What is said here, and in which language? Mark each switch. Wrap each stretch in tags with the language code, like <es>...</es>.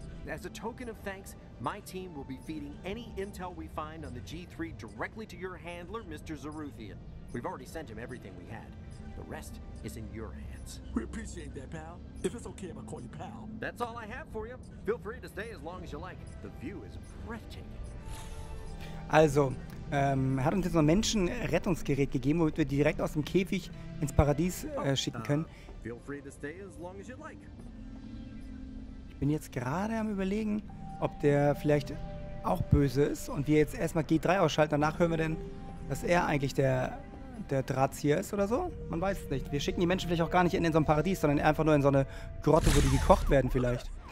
<en>As a token of thanks, my team will be feeding any intel we find on the G3 directly to your handler, Mr. Zaruthian. We've already sent him everything we had. The rest is in your hands. We appreciate that, pal. If it's okay, I'm gonna call you pal. That's all I have for you. Feel free to stay as long as you like. The view is breathtaking.</en> <de>Also, er hat uns jetzt so ein Menschenrettungsgerät gegeben, womit wir direkt aus dem Käfig ins Paradies schicken können.</de> <en>Feel free to stay as long as you like.</en> <de>Ich bin jetzt gerade am Überlegen, ob der vielleicht auch böse ist und wir jetzt erstmal G3 ausschalten. Danach hören wir denn, dass er eigentlich der Drahtzieher ist oder so. Man weiß es nicht. Wir schicken die Menschen vielleicht auch gar nicht in so ein Paradies, sondern einfach nur in so eine Grotte, wo die gekocht werden vielleicht.</de>